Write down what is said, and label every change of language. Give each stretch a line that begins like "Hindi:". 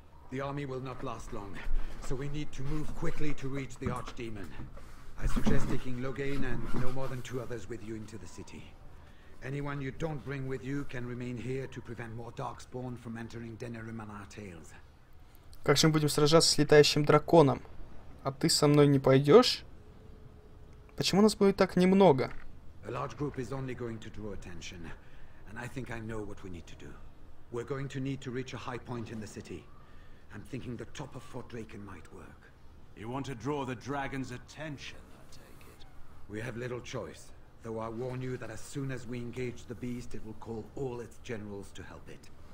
English: The army will not last long, so we need to move quickly to reach the Archdemon. I suggest taking Logain and no more than two others with you into the city. Anyone you don't bring with you can remain here to prevent more darkspawn from entering Denerim on our tails.
Russian: Как же мы будем сражаться с летающим драконом? А ты со мной не пойдешь? Почему нас будет так немного?
English: A large group is only going to draw attention, and I think I know what we need to do. We're going to need to reach a high point in the city. I'm thinking the top of Fort Draken might work. You want to draw the dragon's attention, I take it. We have little choice, though I warn you that as soon as we engage the beast, it will call all its generals to help it.